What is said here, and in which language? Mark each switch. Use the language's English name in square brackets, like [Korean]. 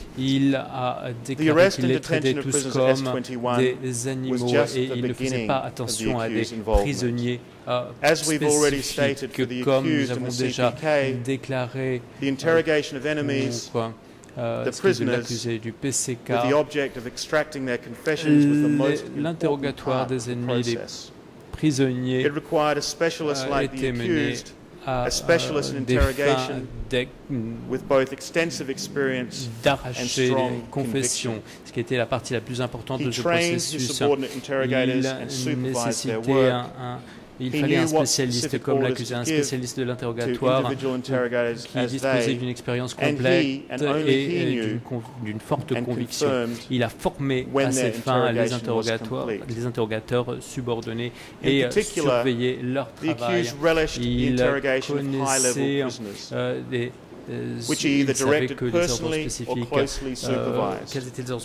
[French] Il a déclaré qu'il les traitait tous comme des animaux et il ne faisait pas attention à des prisonniers spécifiques, comme nous avons déjà déclaré l'interrogatoire des ennemis des prisonniers était mené [English] a specialist in interrogation with both extensive experience and strong [French] confession, ce qui était la partie la plus importante de ce processus. Il nécessitait il fallait un spécialiste comme l'accusé, un spécialiste de l'interrogatoire qui disposait d'une expérience complète et d'une forte conviction. Il a formé à cette fin les interrogateurs subordonnés et surveillait leur travail. Il connaissait des [English] which he either directed personally or closely supervised.